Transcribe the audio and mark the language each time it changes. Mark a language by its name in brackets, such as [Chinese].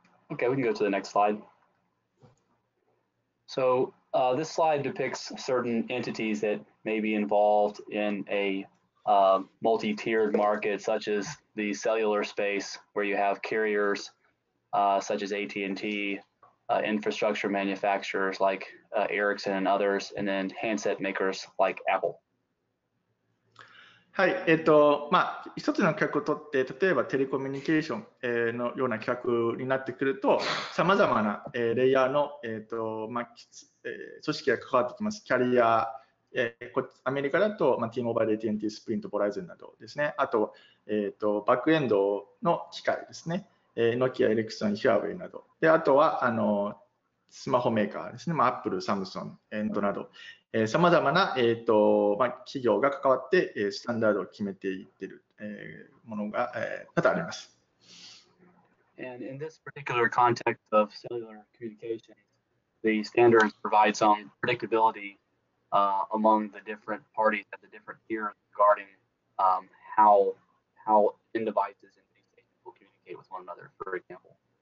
[English] Okay, we can go to the next slide. So, this slide depicts certain entities that may be involved in a multi-tiered market, such as the cellular space, where you have carriers such as AT&T, infrastructure manufacturers like Ericsson and others, and then handset makers like Apple. [Japanese] はい、一つの規格を取って、例えばテレコミュニケーションのような規格になってくると、さまざまなレイヤーの、組織が関わってきます。キャリア、アメリカだと、T-Mobile、AT&T、スプリント、ボライゼンなどですね。あと、バックエンドの機械ですね。ノキア、エレクソン、ヒアウェイなど。で、あとは、スマホメーカーですね。 Apple、Samsung、エンドなど。さまざまな、企業が関わって、スタンダードを決めていっている、ものが、多々あります。 [English] And in this particular context of cellular communications, the standards provide some predictability, among the different parties at the different tiers regarding, how end devices and base stations will communicate with one another, for example.